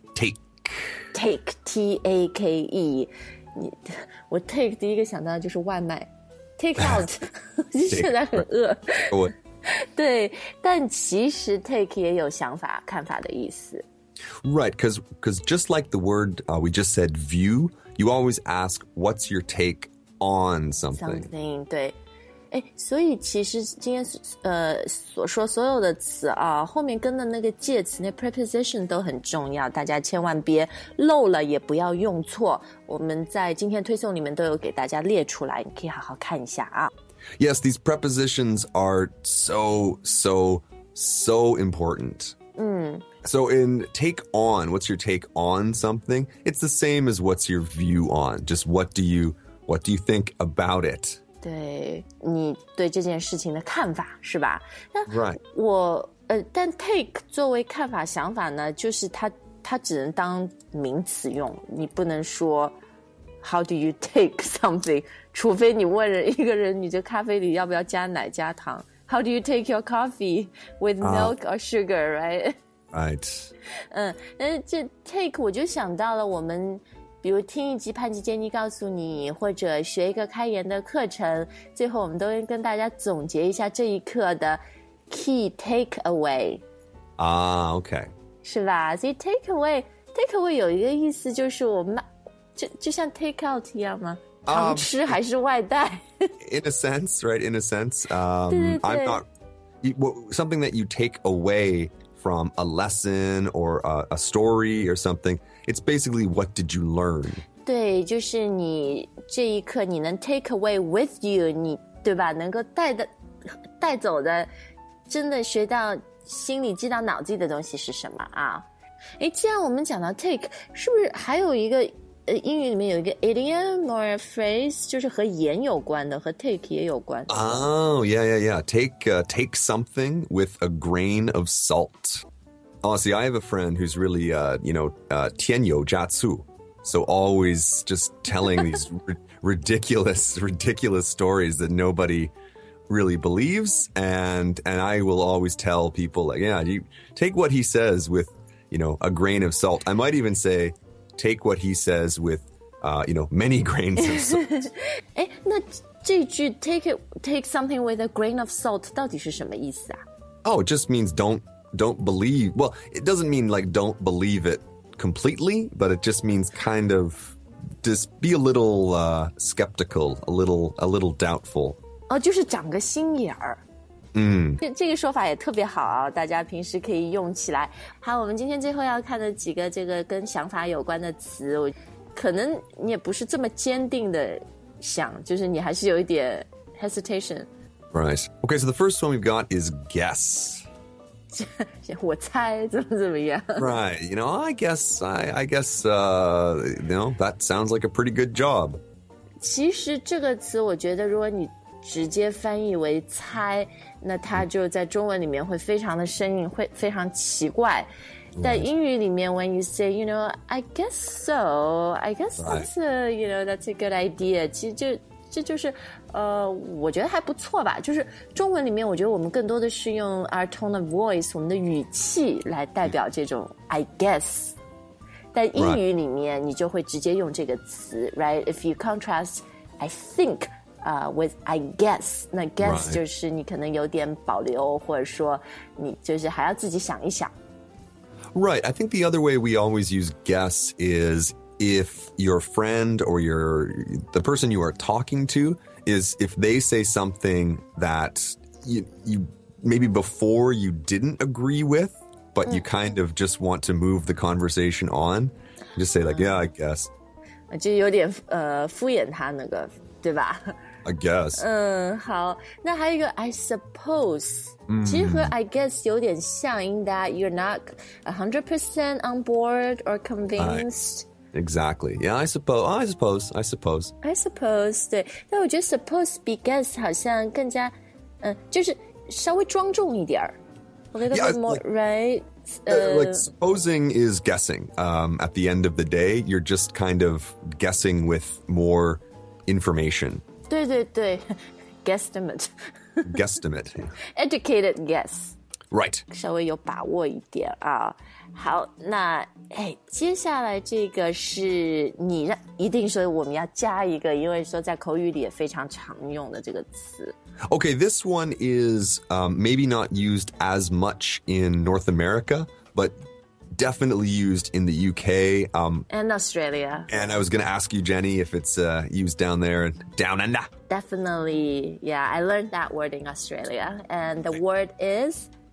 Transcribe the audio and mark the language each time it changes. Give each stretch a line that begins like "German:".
English: take T-A-K-E。
Chinese: 我 take 第一个想到就是外卖 take out 现在很饿我对，但其实 take 也有想法、看法的意思。
English: Right, because just like the word we just said view, you always ask what's your take on something. Something,
Chinese: 对。所以其实今天所说所有的词啊，后面跟的那个介词那 preposition 都很重要，大家千万别漏了，也不要用错。我们在今天推送里面都有给大家列出来，你可以好好看一下啊。
English: Yes, these prepositions are so, so, so important. So in take on, what's your take on something? It's the same as what's your view on. Just what do you think about it?
Chinese: 对，你对这件事情的看法是吧？那
English: right.
Chinese: 我但 take 作为看法想法呢，就是它只能当名词用，你不能说。
English: How do you take something?
Chinese: 除非你问人一个人，你这咖啡里要不要加奶加糖
English: ？How do you take your coffee with milk or sugar? Right? Right.
Chinese: 这 take 我就想到了我们比如听一集潘吉建议告诉你或者学一个开源的课程最后我们都跟大家总结一下这一课的 key takeaway。
English: OK。
Chinese: 是吧所以 takeaway 有一个意思就是我们 就像 take out 一样吗常吃还是外带
English: In a sense, right? In a sense,
Chinese: 对对对
English: something that you take away from a lesson or a story or something, it's basically what did you learn?
Chinese: 对就是你这一刻你能
English: take away with you,
Chinese: 你对吧能够带走的真的学到心里记到脑子里的东西是什么啊诶既然我们讲到 take, 是不是还有一个英语里面有一个
English: idiom or a phrase
Chinese: 就是和言有关的和 take 也有关的
English: Oh, yeah. Take something with a grain of salt. Oh, see, I have a friend who's really,
Chinese: tian you jia zu.
English: So always just telling these ridiculous stories that nobody really believes. And I will always tell people, like, yeah, you take what he says with, you know, a grain of salt. I might even say,take what he says with, many grains of salt.
Chinese: 诶那这句
English: take something with a grain of salt
Chinese: 到底是什么意思啊
English: Oh, it just means don't believe. Well, it doesn't mean like don't believe it completely, but it just means kind of just be a little skeptical, a little doubtful.
Chinese: 哦就是长个心眼儿。这个说法也特别好啊大家平时可以用起来。好我们今天最后要看的几个这个跟想法有关的词我可能你也不是这么坚定的想就是你还是有一点 hesitation。
English: Right. Okay, so the first one we've got is guess.
Chinese: 我猜怎么样。
English: Right. You know, I guess, that sounds like a pretty good job.
Chinese: 其实这个词我觉得如果你直接翻译为猜那它就在中文里面会非常的生硬会非常奇怪但英语里面
English: when you say you know I guess that's a, you know that's a good idea
Chinese: 其实这就是我觉得还不错吧就是中文里面我觉得我们更多的是用
English: our tone of voice
Chinese: 我们的语气来代表这种
English: I guess
Chinese: 但英语里面你就会直接用这个词
English: right if you contrast I thinkwith I guess
Chinese: 那
English: guess、right.
Chinese: 就是你可能有点保留或者说你就是还要自己想一想
English: Right, I think the other way we always use guess is if your friend or the person you are talking to is if they say something that you maybe before you didn't agree with but、you kind of just want to move the conversation on just say like、yeah, I guess
Chinese: 就有点、敷衍他那个对吧
English: I guess.
Chinese: 好那还有一个
English: I suppose.、
Chinese: 其实和
English: I guess
Chinese: 有点像
English: in that you're not 100% on board or convinced. Exactly. Yeah, I suppose. I suppose,
Chinese: 对。但我觉得
English: suppose be guess
Chinese: 好像更加、就是稍微庄重一点。
English: A little bit more, right? Supposing is guessing.、at the end of the day, you're just kind of guessing with more information.
Chinese: 对对对 guesstimate.
English: Guesstimate.、Yeah. Educated guess. Right.
Chinese: 稍微有把握一点啊。好那接下来这个是你一定说我们要加一个因为说在口语里也非常常用的这个词。
English: Okay, this one is、maybe not used as much in North America, but... definitely used in the UK、 and Australia and I was going to ask you Jenny if it's、used down there down under definitely yeah I learned that word in Australia and the word is